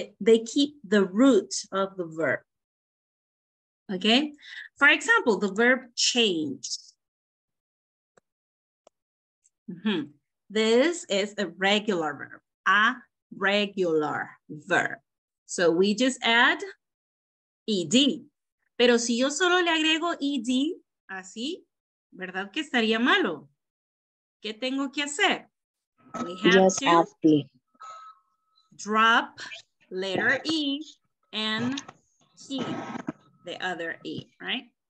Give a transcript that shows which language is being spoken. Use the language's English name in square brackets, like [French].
[English] They keep the root of the verb, okay? For example, the verb change. This is a regular verb, a regular verb. So we just add ed. [Spanish] Pero si yo solo le agrego ed, así, ¿verdad que estaría malo? ¿Qué tengo que hacer? [English] We have just to... Happy. Drop letter E and keep the other E, right?